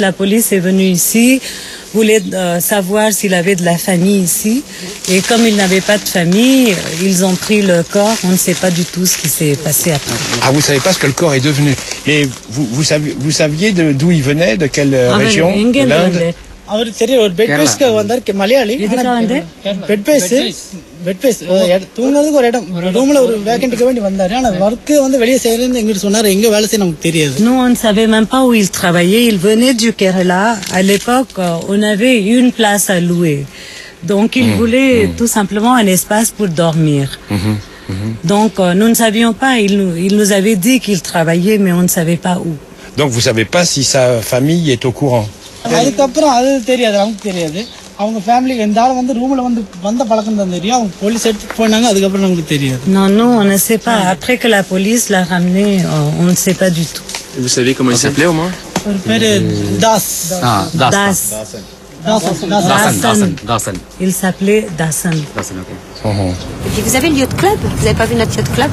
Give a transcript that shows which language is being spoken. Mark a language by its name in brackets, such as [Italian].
[French] La police est venue ici, voulait savoir s'il avait de la famille ici. Et comme il n'avait pas de famille, ils ont pris le corps. On ne sait pas du tout ce qui s'est passé après. Ah, vous ne savez pas ce que le corps est devenu. Mais vous saviez d'où il venait, de quelle région, de l'Inde? [Tamil] அவருக்கு தெரியும், ஒரு bed பேஸ்க்கு வந்தார் Malayali. Bed base தூங்குறதுக்கு ஒரு இடம், ரூம்ல ஒரு வேக்கண்ட்க்கு வேண்டி வந்தாரு. ஆனா வர்க் வந்து வெளியே செய்யறது எங்க சொன்னாரு, எங்க வேலை செய்ய நமக்கு தெரியாது. [French] Nous on savait même pas où il travaillait. Il venait du Kerala. À l'époque, on avait une place à louer. Donc il voulait tout simplement un espace pour dormir. Donc nous ne savions pas. Il nous avait dit qu'il travaillait, mais on ne savait pas où. Donc vous savez pas si sa famille est au courant. [Tamil] அதுக்கப்புறம் அது தெரியாது, அவங்களுக்கு தெரியாது. அவங்க family எந்த ஆளும் வந்து ரூம்ல வந்து வந்த பழக்கம் தான் தெரியும். அவங்க போலீஸ் எடுத்துட்டு போனாங்க, அதுக்கப்புறம் நமக்கு தெரியாது. நானும் [French] on ne sait pas. Après que la police l'a ramené, on ne sait pas du tout. Vous savez comment il s'appelait au moins? [Tamil] ஒரு பேரு Das. Das. [French] Dasan. Il s'appelait Dasan. Dasan, ok. Et puis vous avez le yacht club? Vous n'avez pas vu notre yacht club?